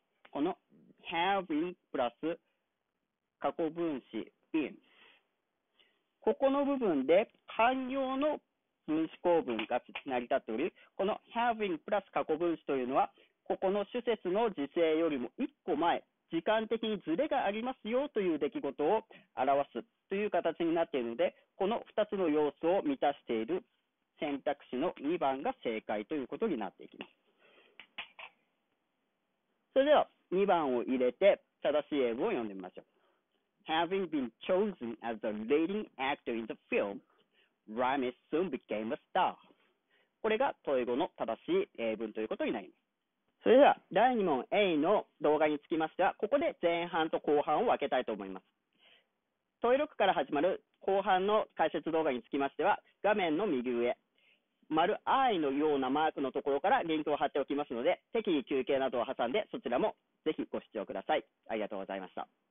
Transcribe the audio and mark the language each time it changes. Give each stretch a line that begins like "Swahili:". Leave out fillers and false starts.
Japanese: この having プラス過去分詞 been、 ここの部分で慣用の分詞構文が成り立っており、この having プラス過去分詞というのはここの主節の時制よりも一個前、時間的にズレがありますよという出来事を表すという形になっているので、この2つの要素を満たしている選択肢の2番が正解ということになっていきます。それでは2番を入れて正しい英文を読んでみましょう。
English: Having been chosen as the leading actor in the film, Ramis soon became a star.
Japanese: これが問い語の正しい英文ということになります。それでは第2問 A の動画につきましては、ここで前半と後半を分けたいと思います。問い6から始まる後半の解説動画につきましては、画面の右上、丸 I のようなマークのところからリンクを貼っておきますので、適宜休憩などを挟んでそちらもぜひご視聴ください。ありがとうございました。